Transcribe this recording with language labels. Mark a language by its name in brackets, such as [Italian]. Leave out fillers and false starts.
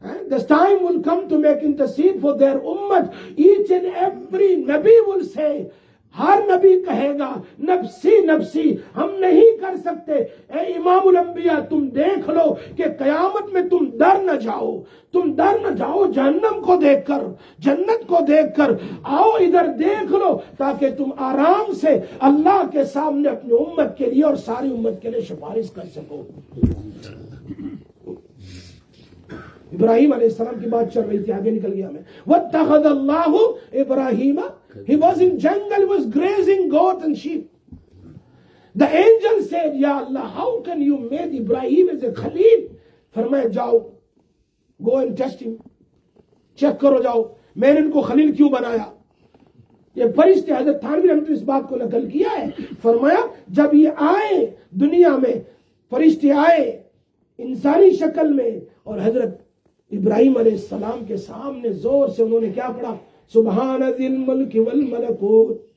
[English] this time will come to make intercede for their ummat, each and every نبی will say، [Urdu] ہر نبی کہے گا نفسی نفسی ہم نہیں کر سکتے، اے امام الانبیاء تم دیکھ لو کہ قیامت میں تم ڈر نہ جاؤ، تم ڈر نہ جاؤ جہنم کو دیکھ کر، جنت کو دیکھ کر، آؤ ادھر دیکھ لو تاکہ تم آرام سے اللہ کے سامنے اپنی امت کے لیے اور ساری امت کے لیے سفارش کر سکو. ابراہیم علیہ السلام کی بات چل رہی تھی، آگے نکل گیا میں. [Arabic] وَاتَّخَذَ اللَّهُ إِبْرَاهِيمَ، [English] he was in jungle, he was grazing goat and sheep. The angel said, Ya Allah, how can you make Ibrahim as a khalil? [Urdu] فرمایا جاؤ، [English] go and test him. [Urdu] Check کرو جاؤ، میں نے ان کو خلیل کیوں بنایا؟ یہ فرشتے حضرت تھانوی رحمت اس بات کو نقل کیا ہے، فرمایا جب یہ آئے دنیا میں، فرشتے آئے انسانی شکل میں اور حضرت ابراہیم علیہ السلام کے سامنے زور سے انہوں نے کیا پڑھا، [Arabic] سبحان ذی الملک والملکوت،